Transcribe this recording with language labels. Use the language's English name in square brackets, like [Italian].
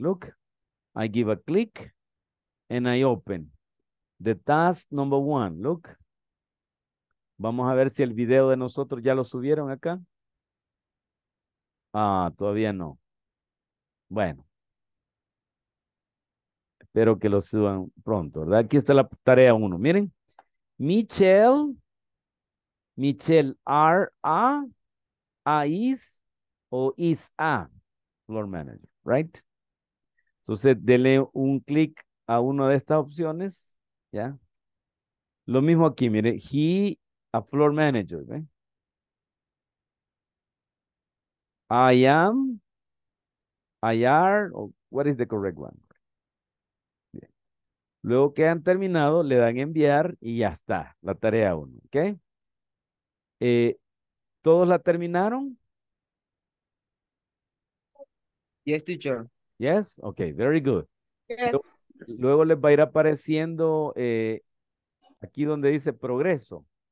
[English] Look, I give a click and I open. The task number 1. Look. [Spanish] Vamos a ver si el video de nosotros ya lo subieron acá. Ah, todavía no. Bueno. Espero que lo suban pronto, ¿verdad? Aquí está la tarea 1. Miren. [English] Michelle, are a, a is, o is a floor manager, right? [Spanish] Entonces, dele un clic a una de estas opciones, ¿ya? Lo mismo aquí, mire, [English] he, a floor manager, [Spanish] ¿ve? [English] I am, I are, o what is the correct one? [Spanish] Bien. Luego que han terminado, le dan enviar y ya está, la tarea 1, ¿ok? ¿Todos la terminaron? [English] Yes, teacher. Yes? Ok, very good. Yes. [Spanish] Luego les va a ir apareciendo aquí donde dice progreso.